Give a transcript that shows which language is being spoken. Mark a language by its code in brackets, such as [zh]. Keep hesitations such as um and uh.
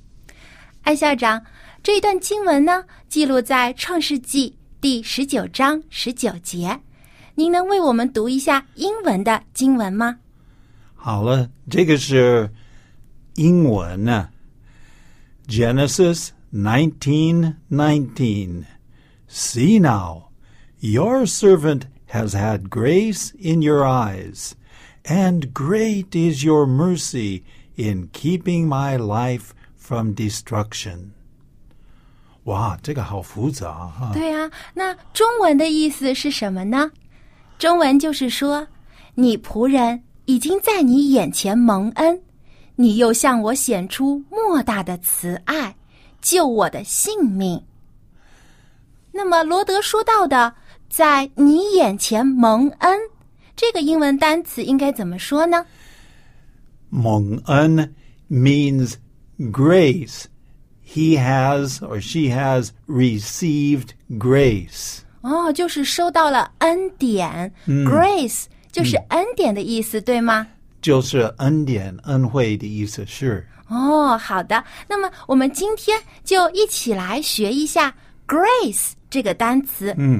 [zh] ”艾校长，这一段经文呢，记录在《创世纪》第十九章十九节。您能为我们读一下英文的经文吗？好了，这个是英文，《呢、Genesis》。 [en] 1919. See now, your servant has had grace in your eyes, and great is your mercy in keeping my life from destruction. [zh] 哇，这个好复杂哈、啊！对呀、啊，那中文的意思是什么呢？中文就是说，你仆人已经在你眼前蒙恩，你又向我显出莫大的慈爱。 [en] Wow huh? [zh] 救我的性命。那么罗德说到的“在你眼前蒙恩”这个英文单词应该怎么说呢 [en] ？“蒙恩 ”means grace. He has or she has received grace. [zh] 哦，就是收到了恩典。嗯、grace 就是恩典的意思，嗯、对吗？就是恩典、恩惠的意思是。哦，好的。那么我们今天就一起来学一下 [en] oh, grace e,